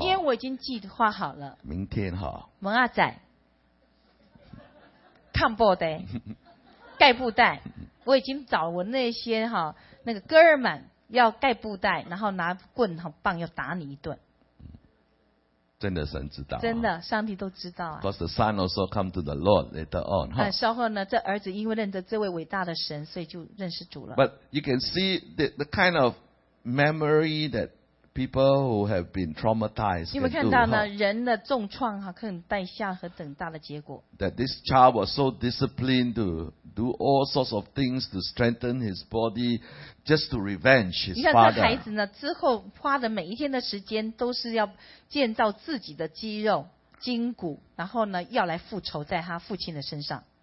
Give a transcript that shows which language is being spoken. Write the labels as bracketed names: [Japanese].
[Chinese] 因为我已经计划好了，明天哈，蒙阿仔，看布袋，盖布袋，我已经找我那些哈那个哥们们要盖布袋，然后拿棍和棒要打你一顿。真的神知道，真的上帝都知道啊。 [English] Because the son also come to the Lord later on. [Chinese] 但稍后呢，这儿子因为认得这位伟大的神，所以就认识主了。 [English] But you can see the kind of memory that. People who have been traumatized. [Chinese] 你们看到呢？人的重创哈，可能带下和等大的结果。 [English] That this child was so disciplined to do all sorts of things to strengthen his body, just to revenge his father. [Chinese] 你看这孩子呢，之后花的每一天的时间都是要建造自己的肌肉筋骨，然后呢，要来复仇在他父亲的身上。